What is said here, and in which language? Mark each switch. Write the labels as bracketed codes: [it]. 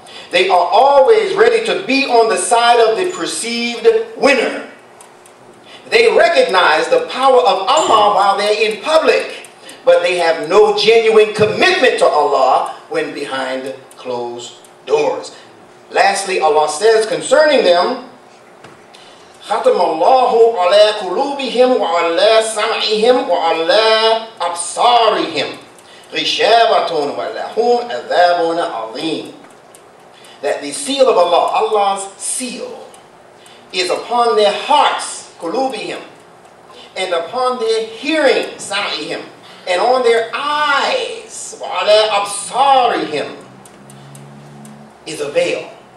[en] They are always ready to be on the side of the perceived winner. They recognize the power of Allah while they're in public, but they have no genuine commitment to Allah when behind closed doors. Lastly, Allah says concerning them, [ar] خَتَمَ اللَّهُ عَلَىٰ قُلُوبِهِمْ وَعَلَىٰ سَمْعِهِمْ وَعَلَىٰ أَبْصَارِهِمْ غِشَابَةٌ وَلَهُمْ عَذَابٌ عَظِيمٌ. [en] That the seal of Allah, Allah's seal, is upon their hearts, قُلُوبِهِمْ, and upon their hearing, سَمْعِهِمْ, and on their eyes, [ar] وَعَلَىٰ أَبْصَارِهِمْ, [en] is a veil.